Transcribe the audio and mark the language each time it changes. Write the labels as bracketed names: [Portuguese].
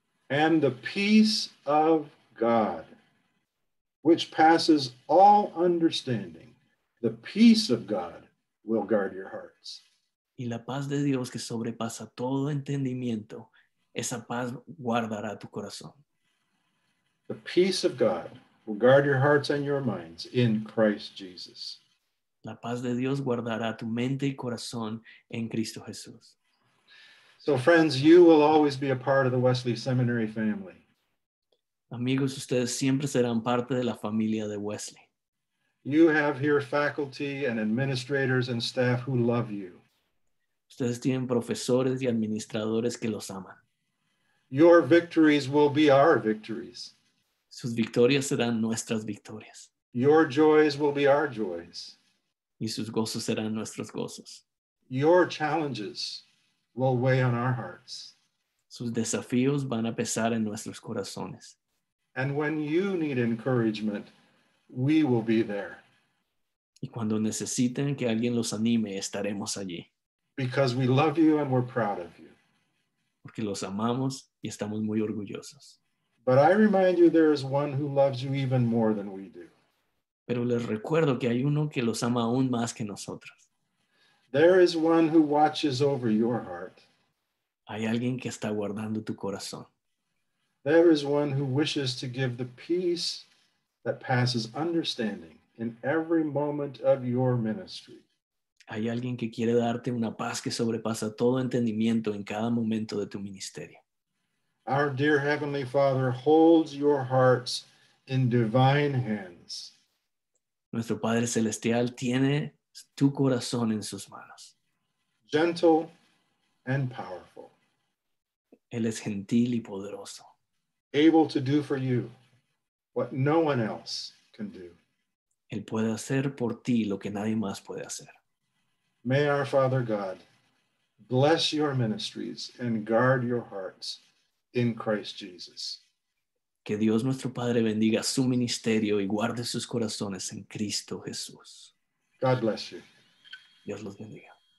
[English] And the peace of God, which passes all understanding, the peace of God will guard your hearts. [Spanish] Y la paz de Dios que sobrepasa todo entendimiento, esa paz guardará tu corazón. [English] The peace of God will guard your hearts and your minds in Christ Jesus. [Spanish] La paz de Dios guardará tu mente y corazón en Cristo Jesús. [English] So friends, you will always be a part of the Wesley Seminary family. [Spanish] Amigos, ustedes siempre serán parte de la familia de Wesley. [English] You have here faculty and administrators and staff who love you. [Spanish] Ustedes tienen profesores y administradores que los aman. [English] Your victories will be our victories. [Spanish] Sus victorias serán nuestras victorias. [English] Your joys will be our joys. [Spanish] Y sus gozos serán nuestros gozos. [English] Your challenges will weigh on our hearts. [Spanish] Sus desafíos van a pesar en nuestros corazones. [English] And when you need encouragement, we will be there. [Spanish] Y cuando necesiten que alguien los anime, estaremos allí. [English] Because we love you and we're proud of you. [Spanish] Porque los amamos y estamos muy orgullosos. [English] But I remind you there is one who loves you even more than we do. [Spanish] Pero les recuerdo que hay uno que los ama aún más que nosotros. [English] There is one who watches over your heart. [Spanish] Hay alguien que está guardando tu corazón. [English] There is one who wishes to give the peace that passes understanding in every moment of your ministry. [Spanish] Hay alguien que quiere darte una paz que sobrepasa todo entendimiento en cada momento de tu ministerio. [English] Our dear Heavenly Father holds your hearts in divine hands. [Spanish] Nuestro Padre Celestial tiene tu corazón en sus manos. [English] Gentle and powerful. [Spanish] Él es gentil y poderoso. [English] Able to do for you what no one else can do. [Spanish] Él puede hacer por ti lo que nadie más puede hacer. [English] May our Father God bless your ministries and guard your hearts in Christ Jesus. [Spanish] Que Dios nuestro Padre bendiga su ministerio y guarde sus corazones en Cristo Jesús. [English] God bless you. [Spanish] Dios los bendiga.